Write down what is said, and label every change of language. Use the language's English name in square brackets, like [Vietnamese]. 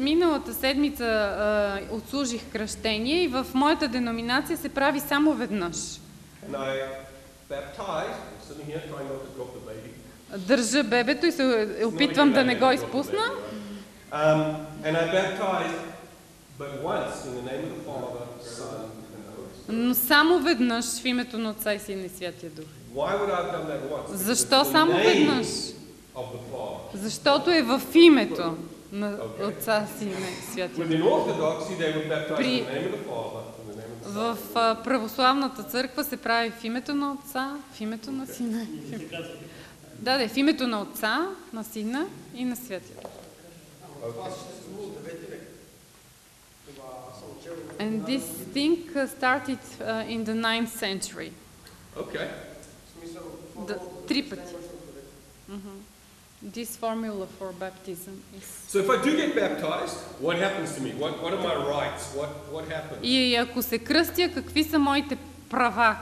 [Bulgarian] Миналата седмица отслужих кръщение и в моята деноминация се прави само веднъж. [English] And I baptized, I'm sitting here trying not to drop the baby. [Bulgarian] Държа бебето и се опитвам да не го изпусна. [English] And I baptized But once in the name of the Father, Son, and the Holy Spirit. [Bulgarian] Но само веднъж в името на Отца и Сина и Святия Дух. [English] Why would I have done that once? [Bulgarian] Защо само веднъж? Защото е в името на Отца, Сина и Святия Дух. [English] In Orthodoxy they would baptize in the name of the Father, in the name of the Son. [Bulgarian] В православната църква се прави в името на Отца, в името на Сина. Да, в името на Отца, на Сина и на Святия Дух. [English] And this thing started in the 9th century. Okay. [Bulgarian] Три пъти. [English] This formula for baptism is... So if I do get baptized, what happens to me? What are my rights? What happens? [Bulgarian] И ако се кръстя, какви са моите права?